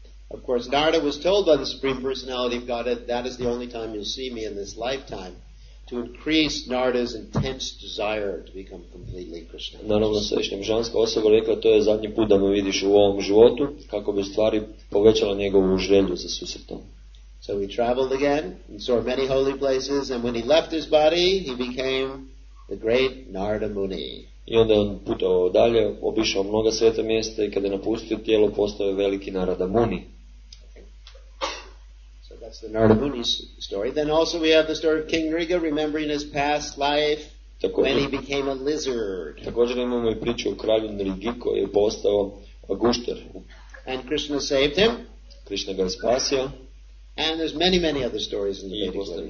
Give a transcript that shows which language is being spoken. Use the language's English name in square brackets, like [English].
[English] Of course, Narada was told by the Supreme Personality of Godhead, that is the only time you'll see me in this lifetime, to increase Narada's intense desire to become completely Krishna. [Croatian] Naravno, svevišnja božanska osoba rekla, to je zadnji put da me vidiš u ovom životu, kako bi stvari povećala njegovu želju za susretom. [English] So he traveled again and saw many holy places, and when he left his body, he became the great Narada Muni. [Croatian] I onda je on putao dalje, obišao mnoga sveta mjesta i kada je napustio tijelo, postao je veliki Narada Muni. [English] So that's the Narada Muni story. Then also we have the story of King Nriga remembering his past life when he became a lizard. [Croatian] Također imamo i priču o kralju Nrigi koji je postao gušter. [English] And Krishna saved him. [Croatian] Krishna ga je spasio. [English] And there's many, many other stories in the Vedic literature.